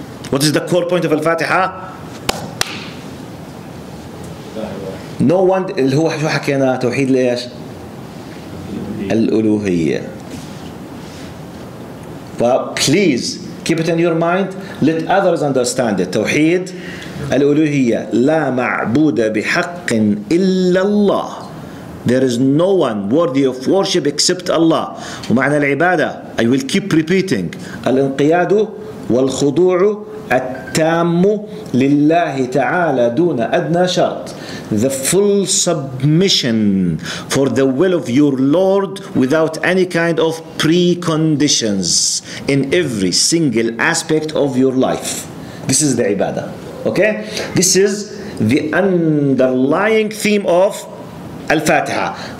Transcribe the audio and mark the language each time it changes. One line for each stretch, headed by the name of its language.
English: What is the core point of Al-Fatiha? No one
Arabic: اللي هو شو حكينا توحيد ليش الألوهية.
English: But please keep it in your mind, let others understand it.
Arabic: توحيد الألوهية لا معبود بحق إلا الله.
English: There is no one worthy of worship except Allah.
Arabic: ومعنى العبادة
English: I will keep repeating
Arabic: الانقياد والخضوع التام لله تعالى دون أدنى شرط.
English: The full submission for the will of your Lord without any kind of preconditions in every single aspect of your life. This is the ibadah. Okay? This is the underlying theme of Al-Fatiha.